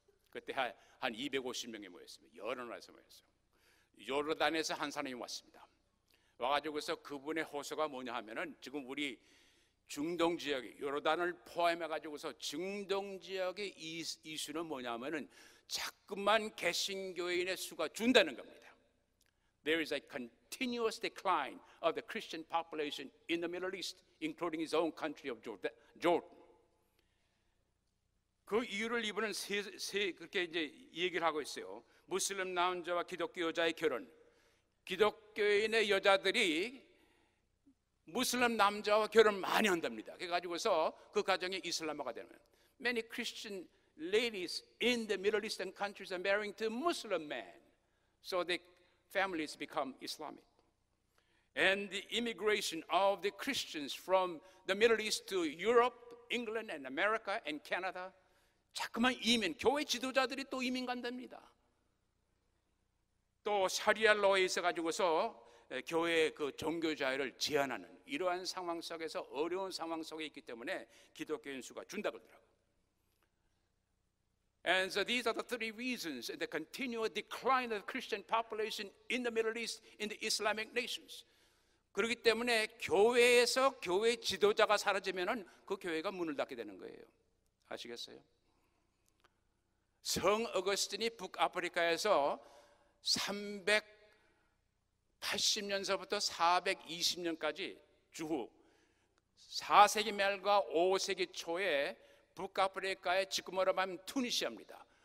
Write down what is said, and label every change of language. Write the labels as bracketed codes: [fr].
[ko] 그때 한 250명이 모였습니다. 여러 나라에서 모였어요. 요르단에서 한 사람이 왔습니다. 와가지고서 그분의 호소가 뭐냐 하면은 지금 우리 중동 지역이 요르단을 포함해가지고서 중동 지역의 이슈는 뭐냐 하면은 자꾸만 개신교인의 수가 준다는 겁니다. [en] There is a continuous decline of the Christian population in the Middle East. including his own country of Jordan. [ko] 그 이유를 이분은 그렇게 이제 얘기를 하고 있어요. 무슬림 남자와 기독교 여자의 결혼. 기독교인의 여자들이 무슬림 남자와 결혼 많이 한답니다. 그래가지고서 그 가정이 이슬람화가 되면 [en] Many Christian ladies in the Middle Eastern countries are marrying to Muslim men. So the families become Islamic. And the immigration of the Christians from the Middle East to Europe, England, and America, and Canada. [ko] 자꾸만 이민, 교회 지도자들이 또 이민 간답니다. 또 샤리아 로에 있어가지고서 교회의 그 종교 자유를 제한하는 이러한 상황 속에서 어려운 상황 속에 있기 때문에 기독교인 수가 준다 그러더라고. [en] And so these are the three reasons the continual decline of Christian population in the Middle East, in the Islamic nations. [ko] 그렇기 때문에 교회에서 교회 지도자가 사라지면은 그 교회가 문을 닫게 되는 거예요. 아시겠어요? 성 어거스틴이 북아프리카에서 380년서부터 420년까지 주후 4세기 말과 5세기 초에 북아프리카의 지금으로 말하면 투니시아입니다.